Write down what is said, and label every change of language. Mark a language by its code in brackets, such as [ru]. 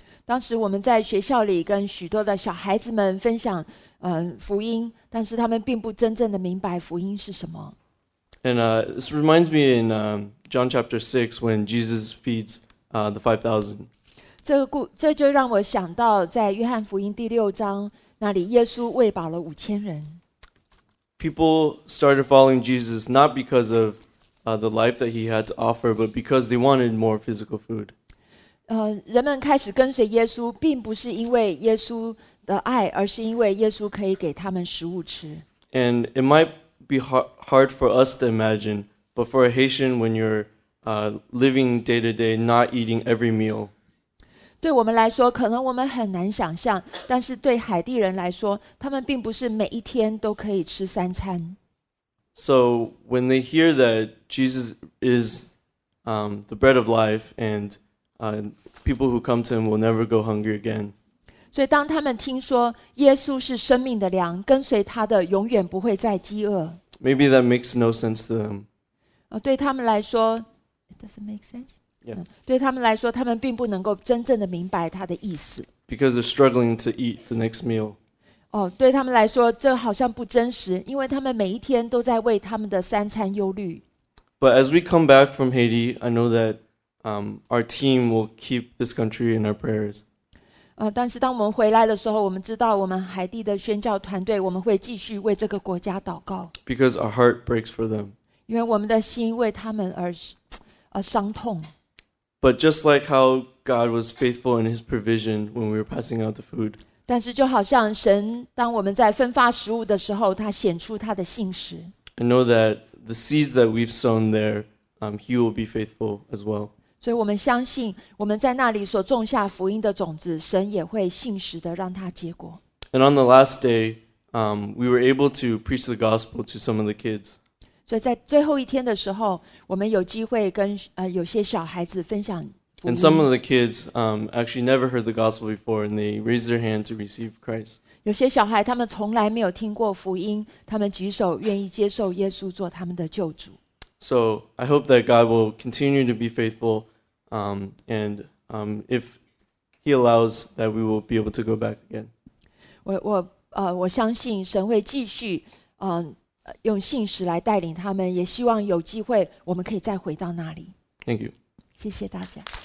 [zh] 当时我们在学校里跟许多的小孩子们分享福音，但是他们并不真正的明白福音是什么。 [en] And this reminds me in John chapter 6 when Jesus feeds the 5,000. [zh] 这就让我想到在约翰福音第六章那里耶稣喂饱了五千人。 [en] People started following Jesus not because of the life that he had to offer, but because they wanted more physical food. [zh] 人们开始跟随耶稣并不是因为耶稣的爱，而是因为耶稣可以给他们食物吃。 [en] And it might be hard for us to imagine, but for a Haitian, when you're living day to day, not eating every meal. [zh] 对我们来说，可能我们很难想象，但是对海地人来说，他们并不是每一天都可以吃三餐。 [en] So when they hear that Jesus is the bread of life and people who come to him will never go hungry again. [zh] 所以当他们听说耶稣是生命的粮，跟随他的永远不会再饥饿。 [en] Maybe that makes no sense to them. [zh] 对他们来说 [en] Does it make sense? Yeah. [zh] 对他们来说，他们并不能够真正的明白他的意思。 [en] Because they're struggling to eat the next meal. [zh] 对他们来说，这好像不真实，因为他们每一天都在为他们的三餐忧虑。 [en] But as we come back from Haiti, I know that our team will keep this country in our prayers. [zh] 但是当我们回来的时候，我们知道我们海地的宣教团队，我们会继续为这个国家祷告。 [en] Because our heart breaks for them. [zh] 因为我们的心为他们而伤痛。 [en] But just like how God was faithful in His provision when we were passing out the food. [zh] 但是就好像神当我们在分发食物的时候，他显出他的信实。 [en] I know that the seeds that we've sown there, He will be faithful as well. [zh] 所以我们相信我们在那里所种下福音的种子，神也会信实的让它结果。 [en] And on the last day, we were able to preach the gospel to some of the kids. [zh] 所以在最后一天的时候，我们有机会跟有些小孩子分享福音。 [en] And some of the kids actually never heard the gospel before, and they raised their hand to receive Christ. [zh] 有些小孩他们从来没有听过福音，他们举手愿意接受耶稣做他们的救主。 [en] So I hope that God will continue to be faithful, and if He allows that we will be able to go back again. [zh] 我相信神会继续用信实来带领他们，也希望有机会我们可以再回到那里。 [en] Thank you. [zh] 谢谢大家。